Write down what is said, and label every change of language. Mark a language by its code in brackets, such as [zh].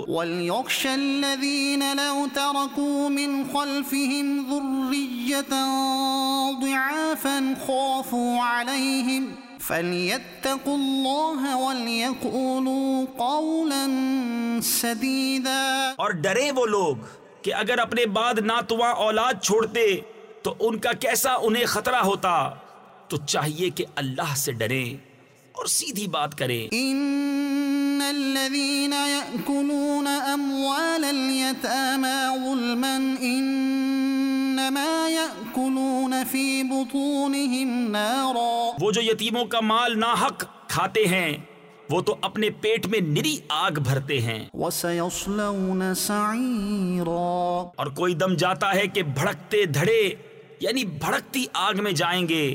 [ar] وَلْيَخْشَ الَّذِينَ لَوْ تَرَكُوا مِنْ خَلْفِهِمْ ذُرِّيَّةً ضِعَافًا خَافُوا عَلَيْهِمْ فَلْيَتَّقُوا اللَّهَ وَلْيَقُولُوا قَوْلًا سَدِيدًا [ur] اور ڈرے وہ لوگ کہ اگر اپنے بعد ناتواں اولاد چھوڑتے تو ان کا کیسا انہیں خطرہ ہوتا تو چاہیے کہ اللہ سے ڈریں اور سیدھی بات کریں ان [ar] الذين يأكلون أموال اليتامى ظلما إنما يأكلون في بطونهم نارا. [ur] وہ جو یتیموں کا مال ناحق کھاتے ہیں وہ تو اپنے پیٹ میں نری آگ بھرتے ہیں. [ar] وسيصلون سعيرا. [ur] اور کوئی دم جاتا ہے کہ بھڑکتے دھڑے یعنی بھڑکتی آگ میں جائیں گے.